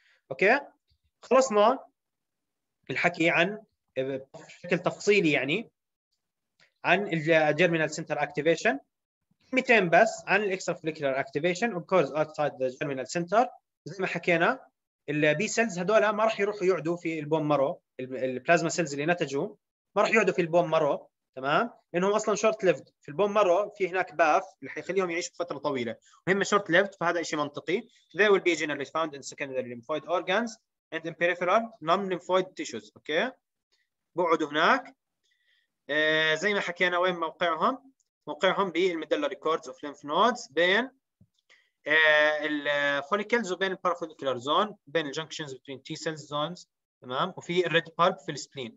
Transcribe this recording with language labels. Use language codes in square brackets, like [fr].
[ar] اوكي، خلصنا الحكي عن بشكل تفصيلي يعني عن الجيرمينال سنتر اكتيفيشن، كلمتين بس عن الاكسترا فوليكولار اكتيفيشن [en] Of course outside the germinal centre. [ar] زي ما حكينا البي سيلز هذول ما راح يروحوا يقعدوا في البون مارو، البلازما سيلز اللي نتجوا ما راح يقعدوا في البون مارو، تمام، لانهم اصلا شورت ليفد في البون مارو، في هناك باف اللي حيخليهم يعيشوا فتره طويله وهم شورت ليفد، فهذا شيء منطقي. [en] They will be generally found in secondary lymphoid organs and in peripheral non-lymphoid tissues. [ar] اوكي، بيقعدوا هناك زي ما حكينا. وين موقعهم؟ موقعهم بالميدلر ريكوردز اوف ليمف نودز بين الفوليكلز وبين البارافوليكولار زون، بين الجنكشنز بين تي سيلز زونز، تمام، وفي الريد بالب في السبلين.